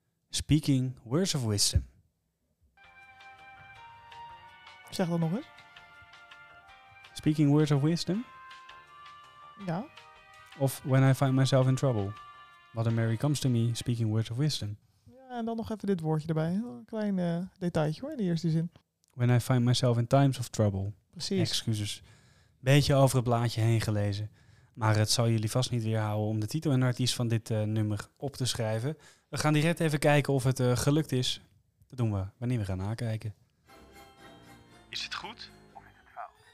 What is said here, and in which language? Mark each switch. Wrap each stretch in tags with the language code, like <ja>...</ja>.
<en>Speaking words of wisdom.</en> <nl>Zeg dat nog eens.</nl> <en>Speaking words of wisdom?</en> <nl>Ja.</nl> <en>Of when I find myself in trouble, Mother Mary comes to me, speaking words of wisdom.</en> <nl>Ja, en dan nog even dit woordje erbij. Een klein detailje hoor, in de eerste zin.</nl> <en>When I find myself in times of trouble.</en> <nl>Precies. Excuses. Beetje over het blaadje heen gelezen. Maar het zal jullie vast niet weerhouden om de titel en artiest van dit nummer op te schrijven. We gaan direct even kijken of het gelukt is. Dat doen we wanneer we gaan nakijken. Is het goed of is het fout?</nl>